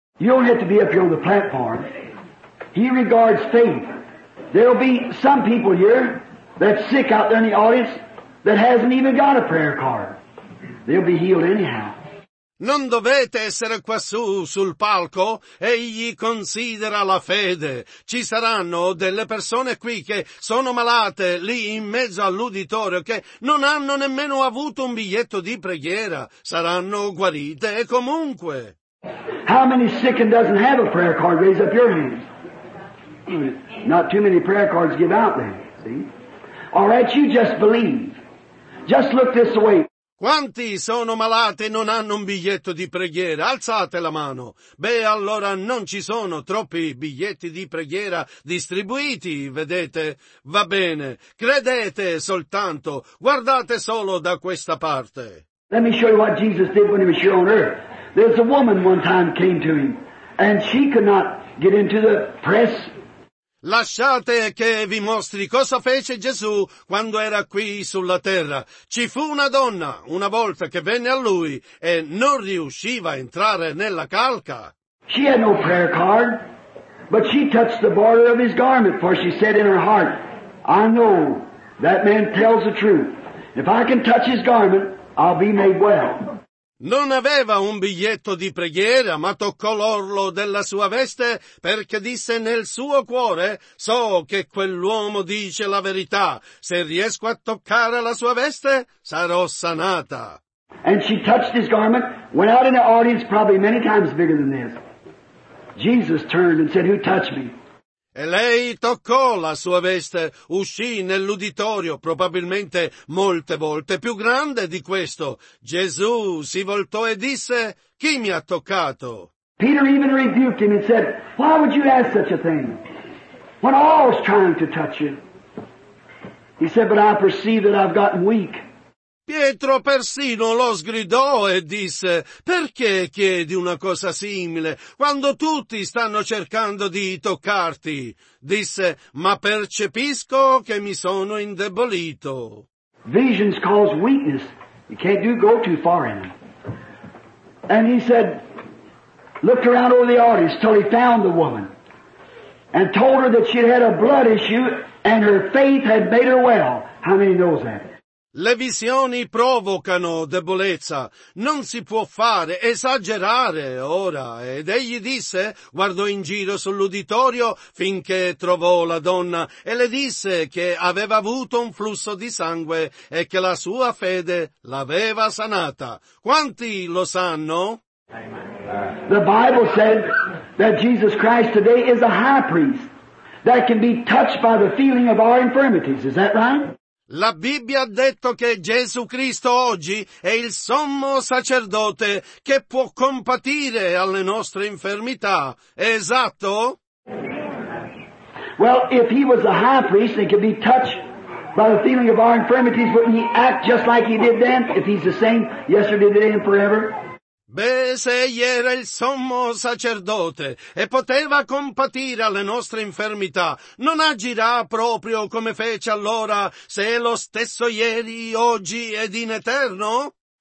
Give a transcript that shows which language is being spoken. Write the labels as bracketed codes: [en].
[en] You don't have to be up here on the platform. He regards faith. There'll be some people here that's sick out there in the audience that hasn't even got a prayer card. They'll be healed anyhow. [it] Non dovete essere quassù sul palco. Egli considera la fede. Ci saranno delle persone qui che sono malate lì in mezzo all'uditorio che non hanno nemmeno avuto un biglietto di preghiera. Saranno guarite e comunque. [en] How many sick and doesn't have a prayer card? Raise up your hand. Not too many prayer cards give out then, see? All right, you just believe. Just look this way. [it] Quanti sono malati e non hanno un biglietto di preghiera? Alzate la mano. Beh, allora non ci sono troppi biglietti di preghiera distribuiti, vedete? Va bene. Credete soltanto. Guardate solo da questa parte. [en] Let me show you what Jesus did when he was here on earth. There's a woman one time came to him and she could not get into the press. [it] Lasciate che vi mostri cosa fece Gesù quando era qui sulla terra. Ci fu una donna una volta che venne a lui e non riusciva a entrare nella calca. [en] She had no prayer card, but she touched the border of his garment, for she said in her heart, I know that man tells the truth. If I can touch his garment, I'll be made well. [it] Non aveva un biglietto di preghiera, ma toccò l'orlo della sua veste perché disse nel suo cuore, so che quell'uomo dice la verità, se riesco a toccare la sua veste, sarò sanata. [en] And she touched his garment, went out in the audience probably many times bigger than this. Jesus turned and said, who touched me? [it] E lei toccò la sua veste, uscì nell'uditorio, probabilmente molte volte più grande di questo. Gesù si voltò e disse, chi mi ha toccato? [en] Peter even rebuked him and said, why would you ask such a thing? When I was trying to touch you. He said, but I perceive that I've gotten weak. [it] Pietro persino lo sgridò e disse, perché chiedi una cosa simile quando tutti stanno cercando di toccarti? Disse, ma percepisco che mi sono indebolito. [en] Visions cause weakness. You can't go too far in them. And he said, looked around over the audience till he found the woman and told her that she had a blood issue and her faith had made her well. How many knows that? [it] Le visioni provocano debolezza. Non si può fare, esagerare ora. Ed egli disse, guardò in giro sull'uditorio finché trovò la donna e le disse che aveva avuto un flusso di sangue e che la sua fede l'aveva sanata. Quanti lo sanno? [en] The Bible said that Jesus Christ today is a high priest that can be touched by the feeling of our infirmities. Is that right? [it] La Bibbia ha detto che Gesù Cristo oggi è il sommo sacerdote che può compatire alle nostre infermità. È esatto? [en] Well, if he was a high priest and could be touched by the feeling of our infirmities, wouldn't he act just like he did then? If he's the same yesterday, today, and forever? [it] Beh, se egli era il sommo sacerdote e poteva compatire alle nostre infermità, non agirà proprio come fece allora, se è lo stesso ieri, oggi ed in eterno?